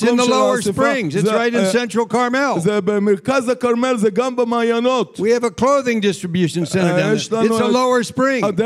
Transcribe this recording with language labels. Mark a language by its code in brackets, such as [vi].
[he] של [en] the lower springs. It's right in central Carmel. [he] זה במרכז הקרמל, זה גם במעיינות. [en] We have a clothing distribution center down there. It's a lower spring.